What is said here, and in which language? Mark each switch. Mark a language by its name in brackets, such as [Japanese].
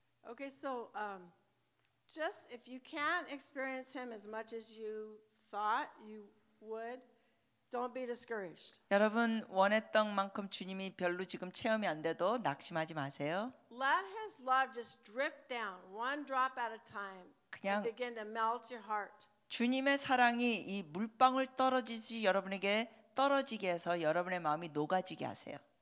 [English] Okay, so just if you can't experience him as much as you thought you would, don't be discouraged. [Korean] 여러분 원했던 만큼 주님이 별로 지금 체험이 안 돼도 낙심하지 마세요. [English] Let his love just drip down one drop at a time. [Korean] 그냥 [English] to begin to melt your heart. [Korean] 주님의 사랑이 이 물방울 떨어지지 여러분에게 떨어지게 해서 여러분의 마음이 녹아지게 하세요.